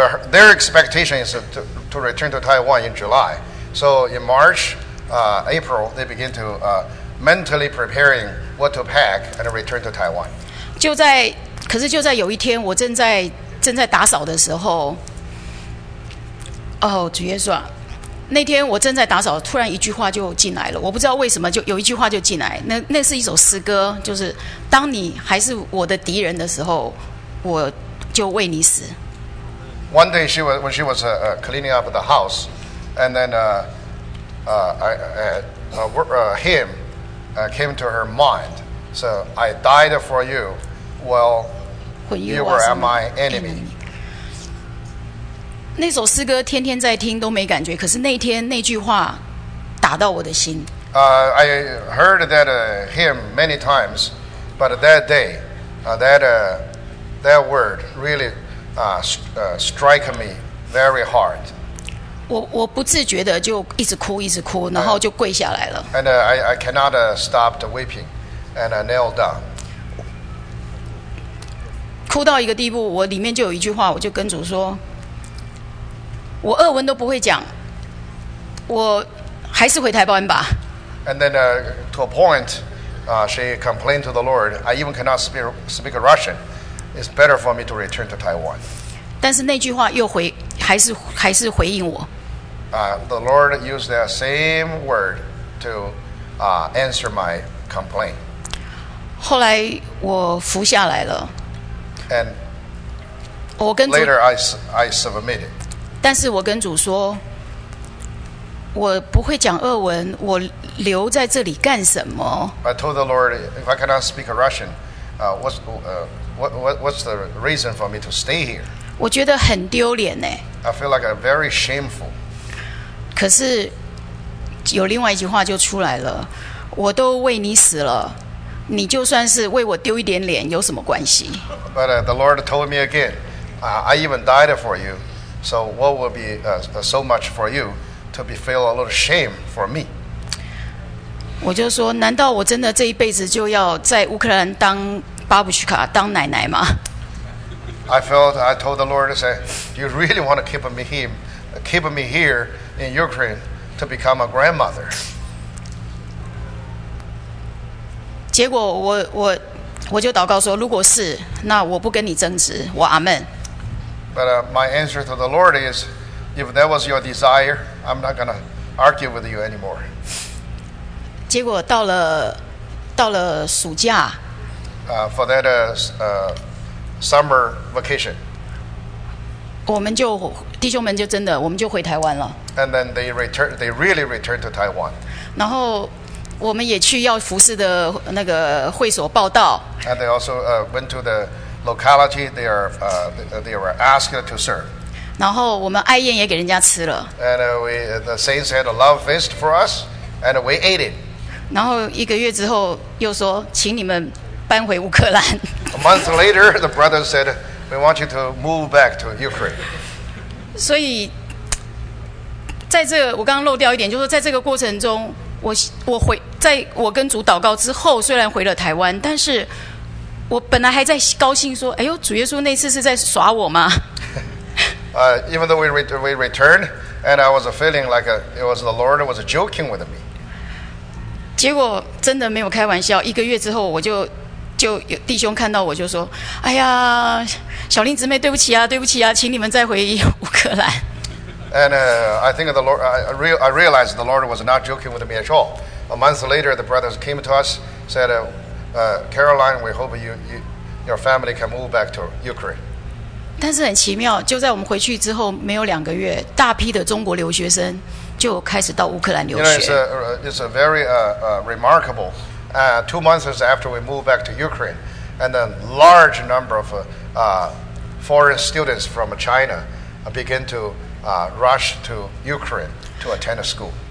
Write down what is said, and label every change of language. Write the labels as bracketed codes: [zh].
[en] Their expectation is to return to Taiwan in July. So in March, April, they begin to mentally preparing what to pack and return to Taiwan. [zh] 可是就在有一天，我正在打扫的时候。哦，主耶稣啊，那天我正在打扫，突然一句话就进来了，我不知道为什么就有一句话就进来。那是一首诗歌，就是当你还是我的敌人的时候，我就为你死。 [en] One day she was when she was cleaning up the house, and then him came to her mind. So I died for you, well, you were my enemy. [zh] 那首诗歌天天在听都没感觉，可是那天那句话打到我的心。 [en] I heard that hymn many times, but that day, that word really strike me very hard. [zh] 我不自觉的就一直哭，然后就跪下来了。 [en] And I cannot stop the weeping, and I kneel down. [zh] 哭到一个地步，我里面就有一句话，我就跟主说。我俄文都不会讲，我还是回台湾吧。 [en] And then, to a point, she complained to the Lord. I even cannot speak Russian. It's better for me to return to Taiwan. [zh] 但是那句话还是回应我。 [en] The Lord used that same word to answer my complaint. [zh] 后来我服下来了。 [en] And [zh] 我跟 [en] later I submitted. [zh] 但是我跟主说，我不会讲俄文，我留在这里干什么 [en] ？I told the Lord, if I cannot speak Russian, what's the reason for me to stay here? [zh] 我觉得很丢脸呢。 [en] I feel like I'm very shameful. [zh] 可是有另外一句话就出来了，我都为你死了，你就算是为我丢一点脸，有什么关系 [en] ？But the Lord told me again, I even died for you. So what will be so much for you to be feel a little shame for me? [zh] 我就说，难道我真的这一辈子就要在乌克兰当巴布什卡当奶奶吗 [en] ？I felt I told the Lord, I said, "You really want to keep me here in Ukraine to become a grandmother?" [zh] 结果我就祷告说，如果是，那我不跟你争执，我阿门。 [en] But my answer to the Lord is, if that was your desire, I'm not going to argue with you anymore. [zh] 结果到了暑假 [en] for that summer vacation, [zh] 我们就弟兄们就真的我们就回台湾了。 [en] And then they really returned to Taiwan. [zh] 然后我们也去要服事的那个会所报道。 [en] And they also went to the. Locality, they were asked to serve. [zh] 然后我们哀宴也给人家吃了。 [en] And the saints had a love feast for us, and we ate it. [zh] 然后一个月之后又说，请你们搬回乌克兰。 [en] A month later, the brothers said, "We want you to move back to Ukraine." [zh] 所以，在这个我刚刚漏掉一点，就是在这个过程中，我回在我跟主祷告之后，虽然回了台湾，但是。我本来还在高兴说，哎呦，主耶稣那次是在耍我吗？ [en] Even though we returned, and I was feeling like it was the Lord was joking with me. [zh] 结果真的没有开玩笑，一个月之后，我就有弟兄看到我就说，哎呀，小林姊妹，对不起啊，对不起啊，请你们再回乌克兰。 [en] And I think the Lord, I realized the Lord was not joking with me at all. A month later, the brothers came to us, said. Caroline, we hope your family can move back to Ukraine. [zh] 但是很奇妙，就在我们回去之后没有两个月，大批的中国留学生就开始到乌克兰留学。 [en] You know, it's a very remarkable. Two months after we moved back to Ukraine, and a large number of foreign students from China begin to rush to Ukraine to attend a school.